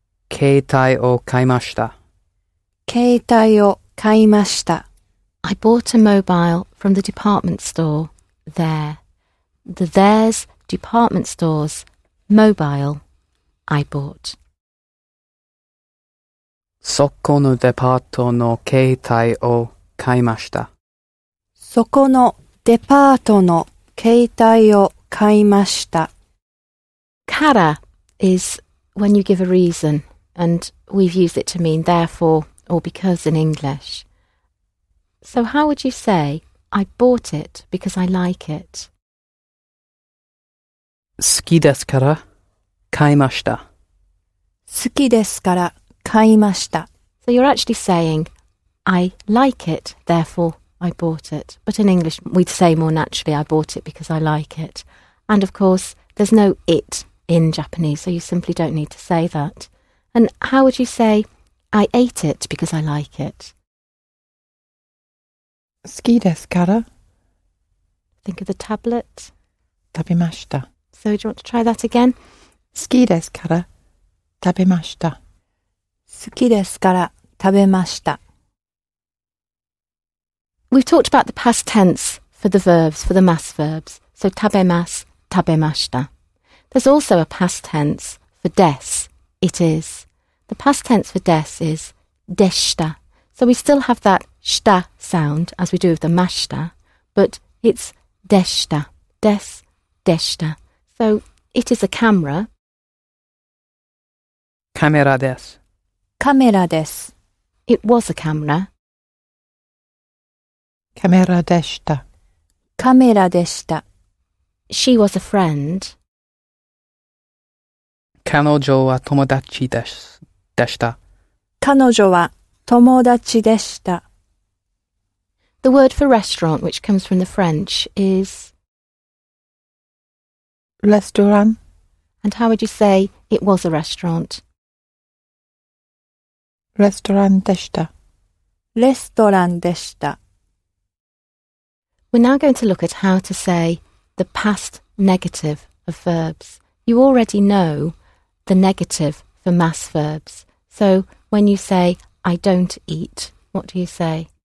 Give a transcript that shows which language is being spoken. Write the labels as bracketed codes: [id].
[ja] Keitai o kaimashita. Keitai o kaimashita. [en] I bought a mobile from the department store there. The there's department store's mobile I bought. [ja] そこのデパートの携帯を買いました。そこのデパートの携帯を買いました。 [en] から is when you give a reason, and we've used it to mean therefore or because in English. So how would you say, I bought it because I like it? [ja] 好きですから買いました。好きですから買いました。 [en] So you're actually saying, I like it, therefore I bought it. But in English, we'd say more naturally, I bought it because I like it. And of course, there's no it in Japanese, so you simply don't need to say that. And how would you say, I ate it because I like it? [ja] 好きですから。 [en] Think of the tablet. [ja] 食べました。 [en] So do you want to try that again? [ja] 好きですから。食べました。好きですから食べました。 [en] We've talked about the past tense for the verbs, for the mass verbs. [ja] So, 食べます、食べました。 [en] There's also a past tense for des, it is. The past tense for des is でした。 So, we still have that した sound, as we do with the ました, but it's でした。 Des, でした。So, it is a camera. [ja] カメラです。カメラです。 [en] It was a camera. [ja] カメラでした。カメラでした。 [en] She was a friend. [ja] 彼女は友達です。でした。彼女は友達でした。 [en] The word for restaurant, which comes from the French, is restaurant. And how would you say it was a restaurant? [ja] Restaurant でした。 Restaurant でした。 [en] We're now going to look at how to say the past negative of verbs. You already know the negative for mass verbs. So when you say, I don't eat, what do you say?